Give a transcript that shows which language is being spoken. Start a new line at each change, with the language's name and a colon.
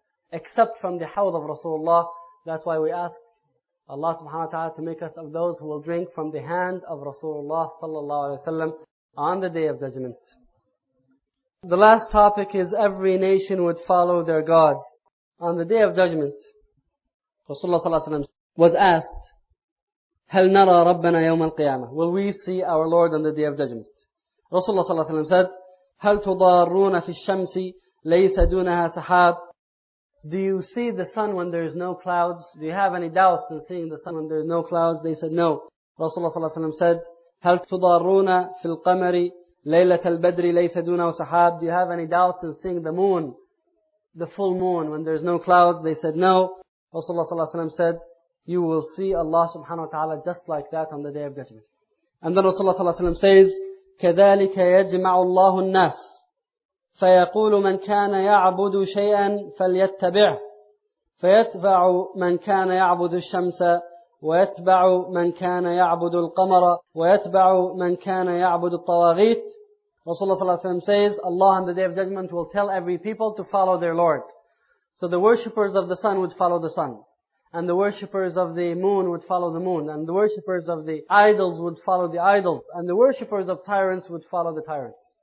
English: Except from the Hawd of Rasulullah. That's why we ask Allah subhanahu wa ta'ala to make us of those who will drink from the hand of Rasulullah sallallahu alayhi wa sallam on the Day of Judgment. The last topic is every nation would follow their God. On the Day of Judgment, Rasulullah sallallahu alayhi wa sallam was asked,
Arabic: هل نرى ربنا يوم القيامة?
English: Will we see our Lord on the Day of Judgment? Rasulullah sallallahu alayhi wa sallam said,
Arabic: هل تضارون في الشمس ليس دونها سحاب?
English: Do you see the sun when there is no clouds? Do you have any doubts in seeing the sun when there is no clouds? They said no. Rasulullah sallallahu alayhi wa sallam said,
Arabic: هل تضارون في القمر ليلة البدر ليس دونه سحاب?
English: Do you have any doubts in seeing the moon, the full moon, when there is no clouds? They said no. Rasulullah sallallahu alayhi wa sallam said, you will see Allah subhanahu wa ta'ala just like that on the Day of Judgment. And then Rasulullah sallallahu alayhi wa sallam says,
Arabic: كذلك يجمع الله الناس فيقول من كان يعبد شيئا فليتبع فيتبع من كان يعبد الشمس ويتبع من كان يعبد القمر ويتبع من كان يعبد الطواغيت.
English: Rasulullah sallallahu alayhi wa sallam says, Allah on the Day of Judgment will tell every people to follow their Lord. So the worshippers of the sun would follow the sun, and the worshippers of the moon would follow the moon, and the worshippers of the idols would follow the idols, and the worshippers of tyrants would follow the tyrants.